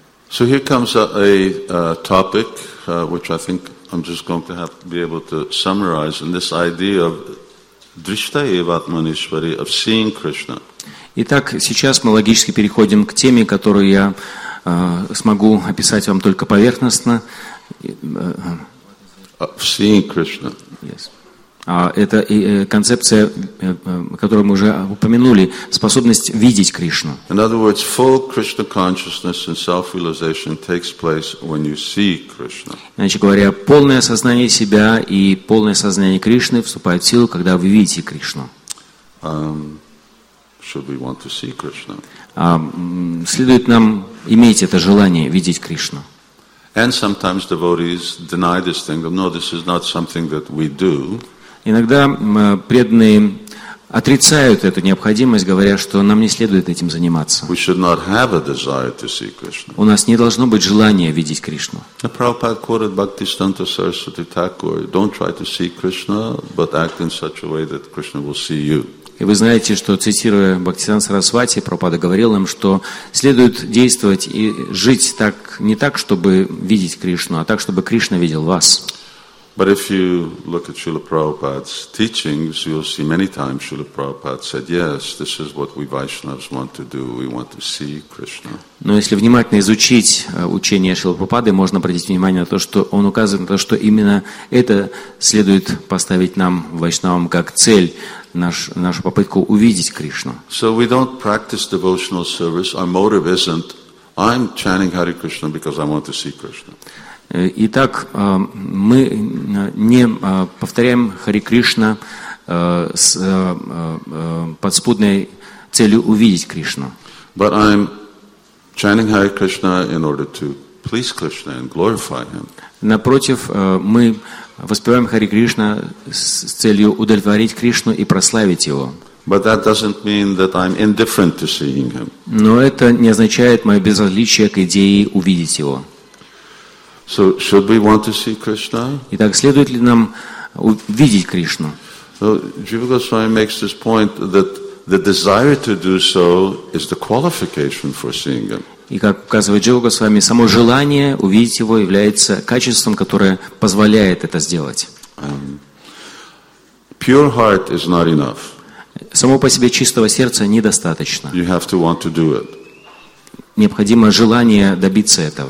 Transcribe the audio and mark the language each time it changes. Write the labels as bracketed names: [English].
[English] So here comes a topic, which I think I'm just going to have to be able to summarize, and this idea of [Sanskrit] drishta eva atmanishvari, [English] of seeing Krishna. [Russian] Итак, сейчас мы логически переходим к теме, которую я смогу описать вам только поверхностно. [English] Seeing Krishna. Yes. [Russian] Это концепция, которую мы уже упомянули, способность видеть Кришну. [English] In other words, full Krishna consciousness and self-realization takes place when you see Krishna. [Russian] Иначе говоря, полное осознание себя и полное осознание Кришны вступает в силу, когда вы видите Кришну. [English] Should we want to see Krishna? [Russian] Следует нам иметь это желание видеть Кришну. [English] And sometimes devotees deny this thing. No, this is not something that we do. [Russian] Иногда преданные отрицают эту необходимость, говоря, что нам не следует этим заниматься. [English] We should not have a desire to see Krishna. [Russian] У нас не должно быть желания видеть Кришну. [English] Prabhupada quoted Bhaktisiddhanta Saraswati Thakur, don't try to see Krishna, but act in such a way that Krishna will see you. [Russian] И вы знаете, что, цитируя Бхактисиддханта Сарасвати, Прабхупада говорил нам, что следует действовать и жить так, не так, чтобы видеть Кришну, а так, чтобы Кришна видел вас. [English] But if you look at Srila Prabhupada's teachings, you'll see many times Srila Prabhupada said, yes, this is what we Vaishnavas want to do, we want to see Krishna. [Russian] Но если внимательно изучить учение Шрилы Прабхупады, можно обратить внимание на то, что он указывает на то, что именно это следует поставить нам, вайшнавам, как цель, нашу попытку увидеть Кришну. [English] So we don't practice devotional service, our motive isn't, I'm chanting Hare Krishna because I want to see Krishna. [Russian] Итак, мы не повторяем Хари Кришна с подспудной целью увидеть Кришну. [English] But I'm chanting Hare Krishna in order to please Krishna and glorify Him. [Russian] Напротив, мы воспеваем Хари Кришна с целью удовлетворить Кришну и прославить Его. [English] But that doesn't mean that I'm indifferent to seeing Him. [Russian] Но это не означает мое безразличие к идее увидеть Его. [English] So should we want to see Krishna? [Russian] Итак, следует ли нам видеть Кришну? [English] Jiva Goswami makes this point that the desire to do so is the qualification for seeing Him. [Russian] И как указывает Джива Госвами, само желание увидеть Его является качеством, которое позволяет это сделать. [English] Pure heart is not enough. [Russian] Само по себе чистого сердца недостаточно. [English] You have to want to do it. [Russian] Необходимо желание добиться этого.